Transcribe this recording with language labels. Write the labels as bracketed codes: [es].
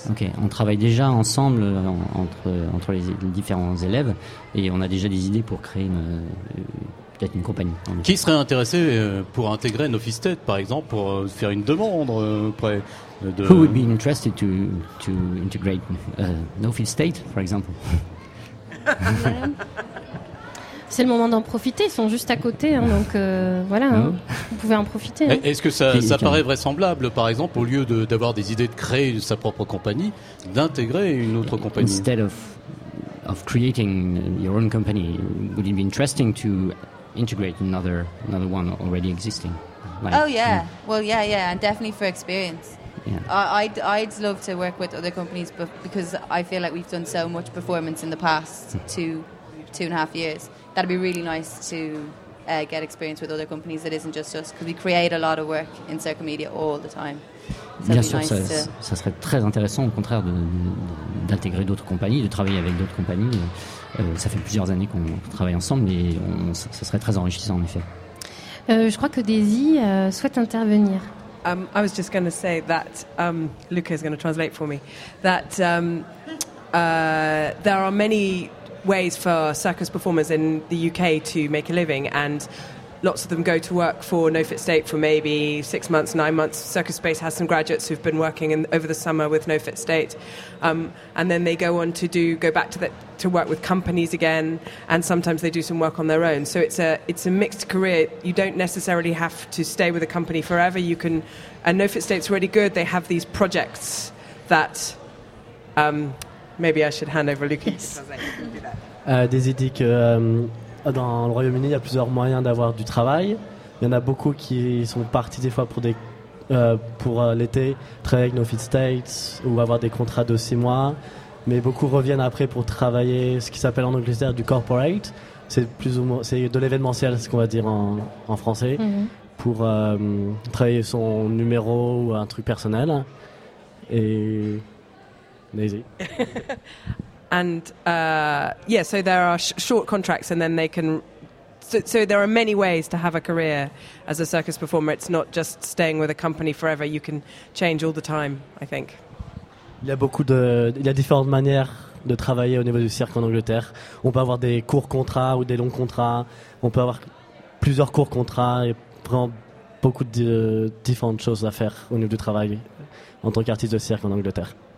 [fr] Ok, on travaille déjà ensemble entre les différents élèves, et on a déjà des idées pour créer peut-être une compagnie. Qui serait intéressé pour intégrer Nofisted, par exemple, pour faire une demande auprès? [en] Who would be interested to integrate Nofield State, for example? [fr] C'est le moment d'en profiter. Ils sont juste à côté, hein, donc voilà, no. Hein, vous pouvez en profiter. Hein. Est-ce que ça paraît vraisemblable, par exemple, au lieu d'avoir des idées de créer sa propre compagnie, d'intégrer une autre compagnie? [en] Instead of creating your own company, would it be interesting to integrate another one already existing? Like, oh yeah, no. Well yeah, and definitely for experience. Yeah. I'd love to work with other companies, but because I feel like we've done so much performance in the past two and a half years, that'd be really nice to get experience with other companies that isn't just us, because we create a lot of work in Circomedia all the time. [fr] So bien sûr, nice ça serait très intéressant, au contraire, d'intégrer d'autres compagnies, de travailler avec d'autres compagnies. Ça fait plusieurs années qu'on travaille ensemble, et ça serait très enrichissant, en effet. Je crois que Daisy souhaite intervenir. [en] I was just going to say that Luca is going to translate for me. That there are many ways for circus performers in the UK to make a living, and lots of them go to work for Nofit State for maybe 6 months, 9 months. Circus Space has some graduates who've been working over the summer with Nofit State, and then they go on to go back to work with companies again, and sometimes they do some work on their own. So it's a mixed career. You don't necessarily have to stay with a company forever. You can, and Nofit State's really good. They have these projects that maybe I should hand over Lucas. Yes. [fr] Daisy dit que dans le Royaume-Uni, il y a plusieurs moyens d'avoir du travail. Il y en a beaucoup qui sont partis des fois pour l'été, travailler avec Nofit State ou avoir des contrats de 6 mois. Mais beaucoup reviennent après pour travailler ce qui s'appelle en anglais du corporate. C'est plus ou moins, c'est de l'événementiel, ce qu'on va dire en français, mm-hmm. pour travailler son numéro ou un truc personnel. Et Daisy. [en] And so there are short contracts, and then they can. So there are many ways to have a career as a circus performer. It's not just staying with a company forever. You can change all the time, I think. [fr] Il y a différentes manières de travailler au niveau du cirque en Angleterre. On peut avoir des courts contrats ou des longs contrats. On peut avoir plusieurs courts contrats et vraiment beaucoup de différentes choses à faire au niveau du travail en tant qu'artiste de cirque en Angleterre.